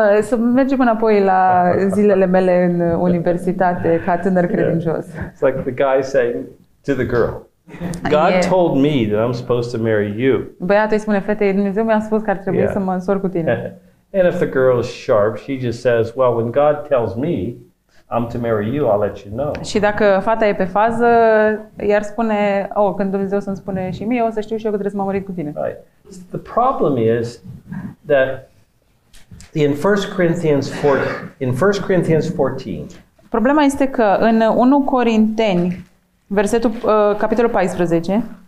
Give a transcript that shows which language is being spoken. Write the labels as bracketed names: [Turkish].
[Romanian] Să mergem înapoi la zilele mele în universitate ca tânăr credincios. [English] It's like the guy saying to the girl, God told me that I'm supposed to marry you. [Romanian] Băiatul îi spune fetei, Dumnezeu mi-a spus că ar trebui să mă însor cu tine. [English] And if the girl is sharp, she just says, well, when God tells me I'm to marry you, I'll let you know. [Romanian] Și dacă fata e pe fază, iar spune, oh, când Dumnezeu să-mi spune și mie, o să știu și eu că trebuie să mă mărit cu tine. [English] Right. The problem is that in 1 Corinthians 14. [Romanian] Problema este că în 1 Corinteni, capitolul 14,